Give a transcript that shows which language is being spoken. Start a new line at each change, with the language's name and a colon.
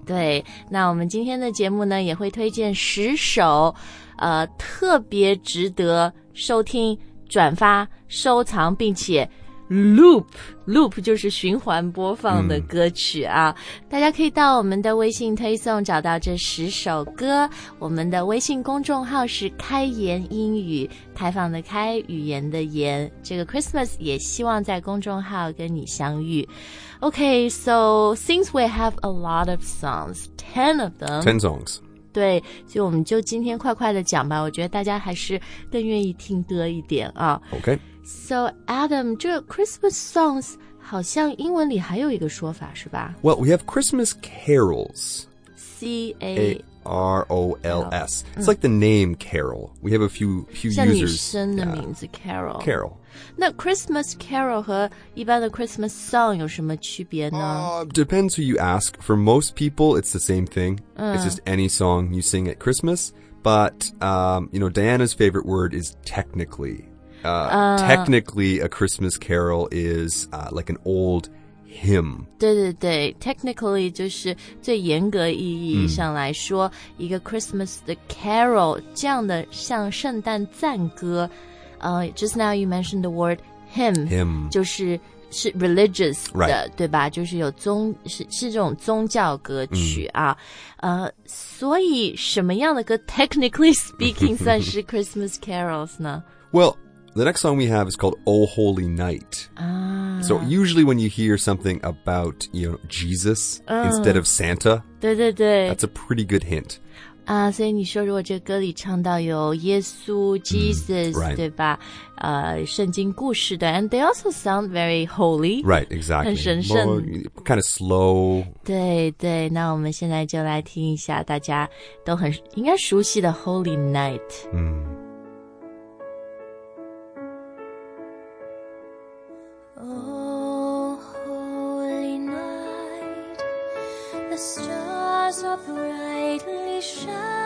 Chinese: 对，那我们今天的节目呢，也会推荐十首特别值得收听、转发、收藏，并且 loop 就是循环播放的歌曲啊。大家可以到我们的微信推送找到这十首歌。我们的微信公众号是开言英语，开放的开，语言的言。这个 Christmas 也希望在公众号跟你相遇。
English: Okay, so since we have a lot of songs, 10 of them. 10 songs.
Chinese: 对，所以我们就今天快快的讲吧，我觉得大家还是更愿意听歌一点啊。
English: Okay. So Adam,
Chinese: 这 Christmas songs 好像英文里还有一个说法是吧？
English: Well, we have Christmas carols. C-A-R-O-L-S. It's like the name carol. We have a few users.
Chinese: 像女生的名字 carol.
English: Carol.
Chinese: 那 Christmas carol 和一般的 Christmas song 有什么区别呢？
English: Depends who you ask. For most people, it's the same thing. It's just any song you sing at Christmas. But, you know, Diana's favorite word is technically. Technically, a Christmas carol is like an old hymn.
Chinese: 对 technically 就是最严格意义上来说，一个 Christmas 的 carol 这样的像圣诞赞歌。
English: Just now you mentioned the word hymn.
Chinese: 就是 religious 的、
English: right.
Chinese: 对吧，就是有宗 是这种宗教歌曲啊。所以什么样的歌
English: technically speaking
Chinese: 算是 Christmas carols 呢？
English: Well, the next song we have is called O Holy Night. So usually when you hear something about, you know, Jesus instead of Santa,
Chinese: 对
English: that's a pretty good hint.
Chinese: 所以你说如果这歌里唱到有耶稣 Jesus,、
English: right.
Chinese: 对吧圣经故事的
English: and they also sound very holy. Right, exactly.
Chinese: 很神圣
English: More, kind of slow.
Chinese: 对那我们现在就来听一下大家都很应该熟悉的 Holy Night.、
English: Oh, Holy Night, the stars are brightly shining.